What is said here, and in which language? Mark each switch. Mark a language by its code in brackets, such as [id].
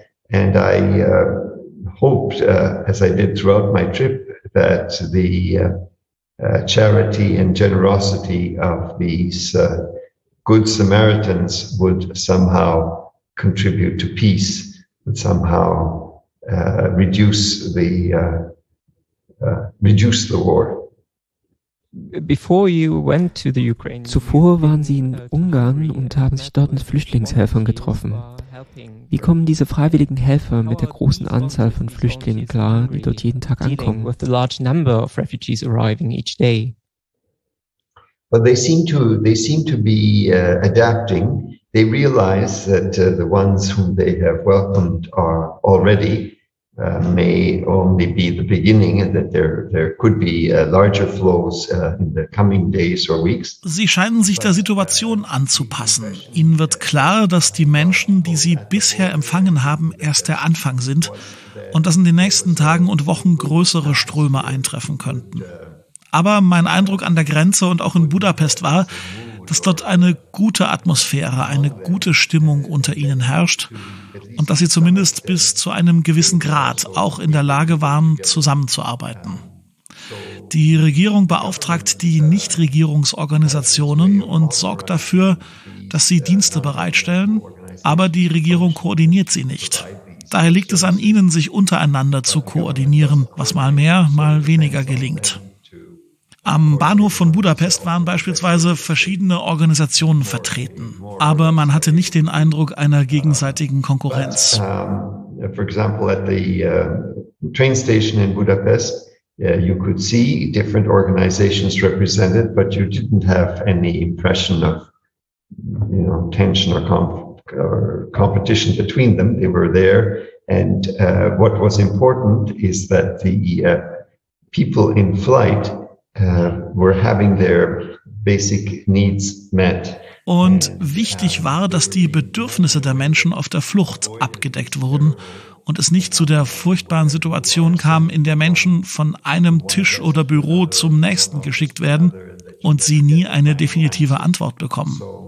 [en] And I hoped, as I did throughout my trip, that the charity and generosity of these good Samaritans would somehow contribute to peace, would somehow reduce the war. Before you went to the Ukraine, [de] zuvor waren Sie in Ungarn und haben sich dort mit Flüchtlingshelfern getroffen. Wie kommen diese freiwilligen Helfer mit der großen Anzahl von Flüchtlingen klar, die dort jeden Tag ankommen? [en] With the large number of refugees arriving each day. Well, they seem to be adapting. They realize that the ones whom they have welcomed are already may only be the beginning, that there could be larger flows in the coming days or weeks. [de] Sie scheinen sich der Situation anzupassen. Ihnen wird klar, dass die Menschen, die Sie bisher empfangen haben, erst der Anfang sind und dass in den nächsten Tagen und Wochen größere Ströme eintreffen könnten. Aber mein Eindruck an der Grenze und auch in Budapest war, dass dort eine gute Atmosphäre, eine gute Stimmung unter ihnen herrscht und dass sie zumindest bis zu einem gewissen Grad auch in der Lage waren, zusammenzuarbeiten. Die Regierung beauftragt die Nichtregierungsorganisationen und sorgt dafür, dass sie Dienste bereitstellen, aber die Regierung koordiniert sie nicht. Daher liegt es an ihnen, sich untereinander zu koordinieren, was mal mehr, mal weniger gelingt. Am Bahnhof von Budapest waren beispielsweise verschiedene Organisationen vertreten, aber man hatte nicht den Eindruck einer gegenseitigen Konkurrenz. [en] For example, at the train station in Budapest, you could see different organizations represented, but you didn't have any impression of, you know, tension or competition between them. They were there, and what was important is that the people in flight were having their basic needs met. [de] Und wichtig war, dass die Bedürfnisse der Menschen auf der Flucht abgedeckt wurden und es nicht zu der furchtbaren Situation kam, in der Menschen von einem Tisch oder Büro zum nächsten geschickt werden und sie nie eine definitive Antwort bekommen.